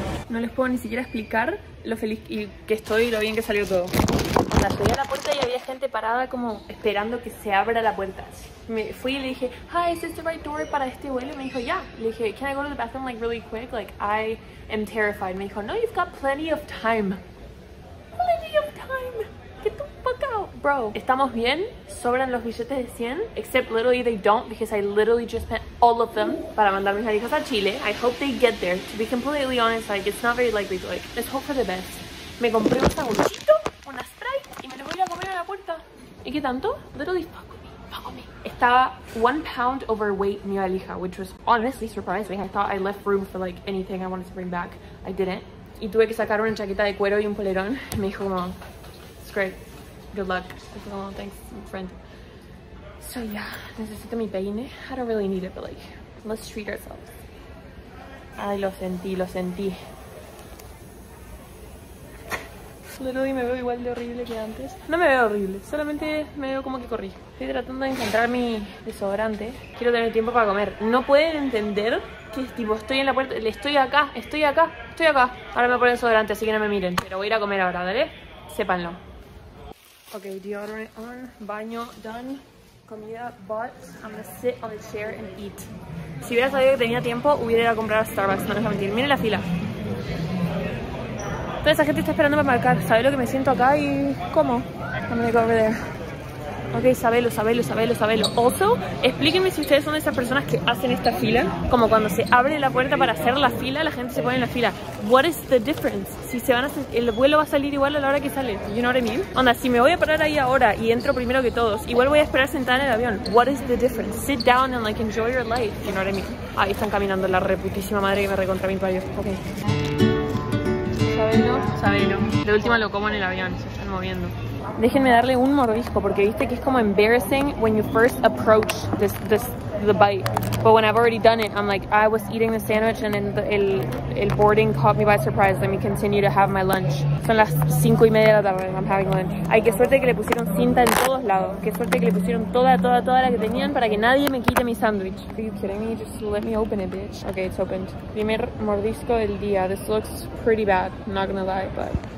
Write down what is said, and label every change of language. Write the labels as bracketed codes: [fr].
[es] No les puedo ni siquiera explicar lo feliz y que estoy y lo bien que salió todo. Onda, llegué a la puerta y había gente parada como esperando que se abra la puerta. Me fui y le dije, [en] hi, is this the right door [es] para este vuelo? Y me dijo, [en] yeah. [es] Le dije, [en] can I go to the bathroom like really quick? Like, I am terrified. [es] Me dijo, [en] no, you've got plenty of time. Plenty of time. Get the fuck out, bro. [es] Estamos bien, sobran los billetes de 100. [en] Except literally they don't, because I literally just spent all of them [es] para mandar mis hijas a Chile. [en] I hope they get there. To be completely honest, like, it's not very likely, but like, let's hope for the best. [es] Me compré un sabonito, una Sprite, y me lo voy a comer a la puerta. ¿Y qué tanto? [en] Literally, fuck me, fuck me. [es] Estaba [en] 1 pound overweight [es] mi valija, [en] which was honestly surprising. I thought I left room for like anything I wanted to bring back. I didn't. [es] Y tuve que sacar una chaqueta de cuero y un polerón. Me dijo, [en] no, it's great. Good luck. I said, oh, thanks, friend. So yeah, [es] necesito mi peine. [en] I don't really need it, but like, let's treat ourselves. [es] Ay, lo sentí, lo sentí. Literally me veo igual de horrible que antes. No me veo horrible, solamente me veo como que corrí. Estoy tratando de encontrar mi desodorante. Quiero tener tiempo para comer. No pueden entender que tipo estoy en la puerta. Estoy acá, estoy acá, estoy acá. Ahora me voy a poner desodorante, así que no me miren. Pero voy a ir a comer ahora, ¿vale? Sépanlo. [en] Ok, deodorant on, [es] baño [en] done. [es] Comida [en] bought. I'm gonna sit on the chair and eat. [es] Si hubiera sabido que tenía tiempo, hubiera ido a comprar a Starbucks. No les voy a mentir, miren la fila. Toda esa gente está esperando para marcar. ¿Sabes lo que me siento acá y cómo? [en] I'm gonna go over there. [es] Ok, sabelo. Also, explíquenme si ustedes son de esas personas que hacen esta fila. Como cuando se abre la puerta para hacer la fila, la gente se pone en la fila. [en] What is the difference? [es] Si se van a hacer, el vuelo va a salir igual a la hora que sale. [en] You know what I mean? [es] Onda, si me voy a parar ahí ahora y entro primero que todos, igual voy a esperar sentada en el avión. [en] What is the difference? Sit down and like enjoy your life. You know what I mean? [es] Ahí están caminando la reputísima madre que me recontra mi payo. Ok. Sabelo. De última lo como en el avión, se están moviendo. Déjenme darle un mordisco porque viste que es como [en] embarrassing when you first approach the bite. But when I've already done it, I'm like, I was eating the sandwich and then [es] el boarding [en] caught me by surprise. Let me continue to have my lunch. [es] Son las 5:30 de la tarde, [en] I'm having lunch. [es] Ay, qué suerte que le pusieron cinta en todos lados. Qué suerte que le pusieron toda la que tenían para que nadie me quite mi sándwich. [en] Are you kidding me? Just let me open it, bitch. Okay, it's opened. [es] Primer mordisco del día. [en] This looks pretty bad, I'm not gonna lie, but...